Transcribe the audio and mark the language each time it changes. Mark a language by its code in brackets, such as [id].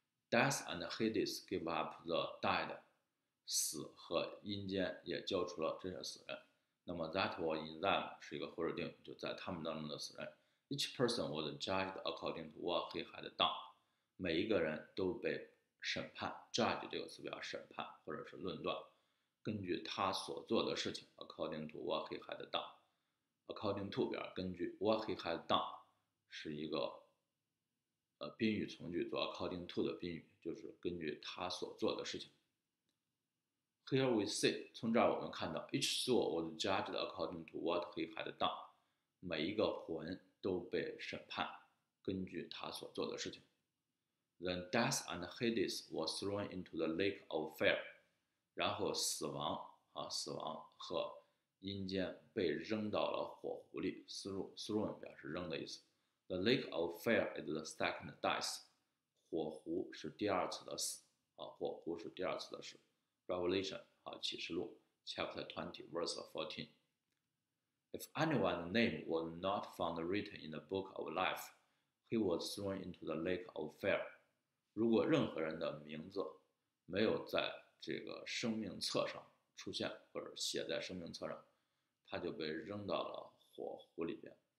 [en] Death and Hades give up the dead， [zh] 死和阴间也交出了这些死人。那么 [en] that was in them [zh] 是一个或者定语，就在他们当中的死人。 [en] Each person was judged according to what he had done， [zh] 每一个人都被审判。 Judge 这个词表示审判或者是论断，根据他所做的事情。 [en] According to what he had done， according to [zh] 表示根据。 [en] What he had done [zh] 是一个宾语从句，做 [en] according to [zh] 的宾语，就是根据他所做的事情。 [en] Here we see， [zh] 从这儿我们看到 [en] ，each soul was judged according to what he had done， [zh] 每一个魂都被审判，根据他所做的事情。 [en] Then death and Hades were thrown into the lake of fire， [zh] 然后死亡和阴间被扔到了火湖里。 Thrown 表示扔的意思。 [en] The lake of fire is the second death， [zh] 火湖是第二次的死啊，火湖是第二次的死。 [en] Revelation [zh] 啊，启示录 [en] ，Chapter 20 Verse 14。 If anyone's name was not found written in the book of life， he was thrown into the lake of fire。 [zh] 如果任何人的名字没有在这个生命册上出现，或者写在生命册上，他就被扔到了火湖里边。